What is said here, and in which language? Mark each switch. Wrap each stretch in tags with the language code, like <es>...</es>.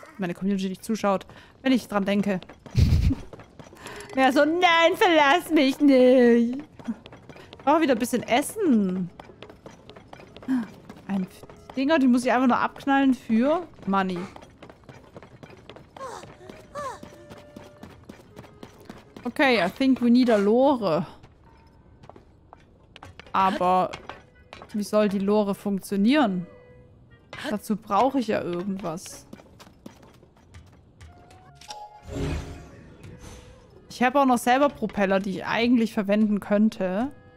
<de>Meine Community nicht zuschaut, wenn ich dran denke. Ja, so, nein, verlass mich nicht. Ich brauche wieder ein bisschen Essen. Ein Dinger, die muss ich einfach nur abknallen für Money.</de> <en>Okay, I think we need a Lore.</en> <de>Aber wie soll die Lore funktionieren? Dazu brauche ich ja irgendwas. Ich habe auch noch selber Propeller, die ich eigentlich verwenden könnte.</de>